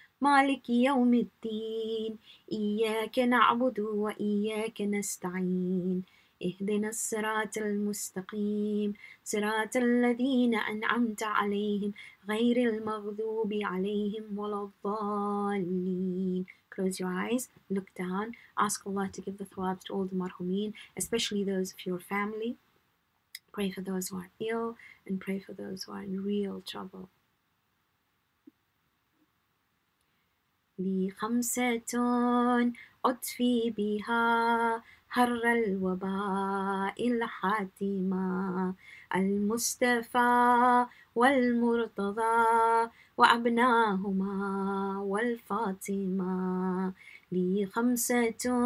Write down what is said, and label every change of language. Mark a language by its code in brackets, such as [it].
[ar] مالك يوم الدين إياك نعبد وإياك نستعين اهدنا الصراط المستقيم صراط الذين أنعمت عليهم غير المغضوب عليهم ولا الضالين. [en] Close your eyes, look down, ask Allah to give the thawab to all the marhumin, especially those of your family. Pray for those who are ill and pray for those who are in real trouble. [ar] لي خمسة أطفي بها حر الوباء الحاتمة المصطفى والمرتضى وأبناهما والفاطمة لي خمسة